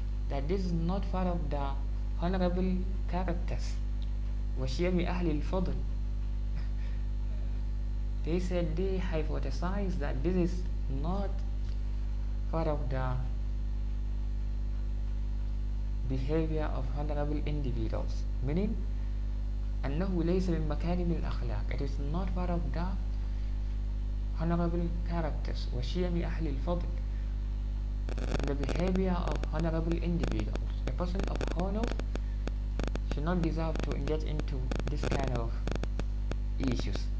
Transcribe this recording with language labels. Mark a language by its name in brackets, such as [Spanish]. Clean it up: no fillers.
[English] that this is not part of the honorable characters [Arabic] وشيم أهل الفضل [English] They said they hypothesized that this is not part of the behavior of honorable individuals. Meaning, [Arabic] أنه ليس من مكارم الأخلاق. [English] It is not part of the honorable characters. [Arabic] وشيم أهل الفضل. [English] The behavior of honorable individuals. A person of honor should not deserve to get into this kind of issues.